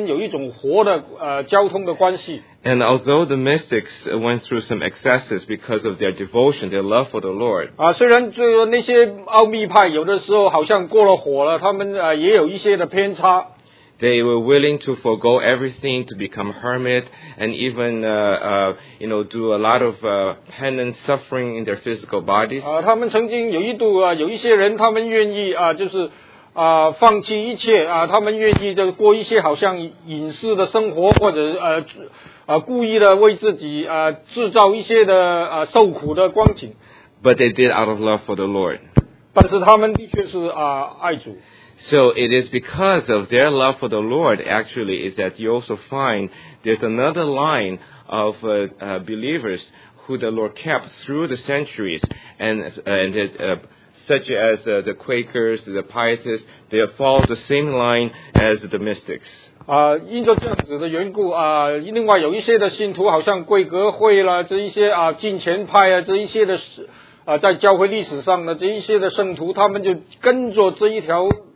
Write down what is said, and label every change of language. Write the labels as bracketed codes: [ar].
[zh] 而且是必须要同时有一种与主之间有一种活的交通的关系。 [en] And although the mystics went through some excesses because of their devotion, their love for the Lord. [zh] 虽然那些奥秘派有的时候好像过了火了，他们也有一些的偏差。 [en] They were willing to forego everything to become hermit and even do a lot of penance suffering in their physical bodies. [zh] 他们曾经有一度有一些人他们愿意就是放弃一切啊，他们愿意就过一些好像隐士的生活，或者故意的为自己制造一些的受苦的光景。 [en] But they did out of love for the Lord. [zh] 但是他们的确是爱主。 [en] So it is because of their love for the Lord, actually, is that you also find there's another line of believers who the Lord kept through the centuries, and such as the Quakers, the Pietists, they follow the same line as the mystics. [zh] 因着这样子的缘故另外有一些的信徒，好像贵格会啦，这一些进前派啊，这一些的在教会历史上的这一些的圣徒，他们就跟着这一条。